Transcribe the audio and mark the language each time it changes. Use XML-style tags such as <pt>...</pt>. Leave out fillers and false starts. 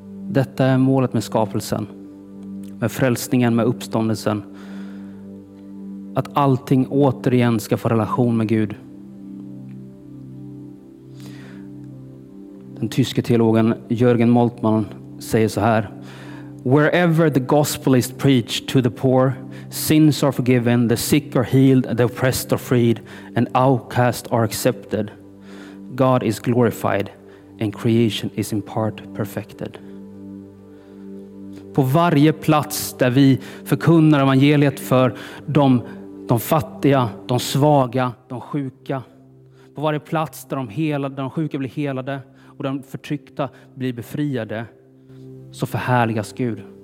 <sv>Detta är målet med skapelsen. Med frälsningen, med uppståndelsen. Att allting återigen ska få relation med Gud. Den tyske teologen Jürgen Moltmann säger så här:</sv> <en>wherever the gospel is preached to the poor, sins are forgiven, the sick are healed, the oppressed are freed, and outcasts are accepted. God is glorified, and creation is in part perfected.</en> <sv>På varje plats där vi förkunnar evangeliet för de fattiga, de svaga, de sjuka. På varje plats där de sjuka blir helade. Och den förtryckta blir befriade, så förhärligas Gud.</sv>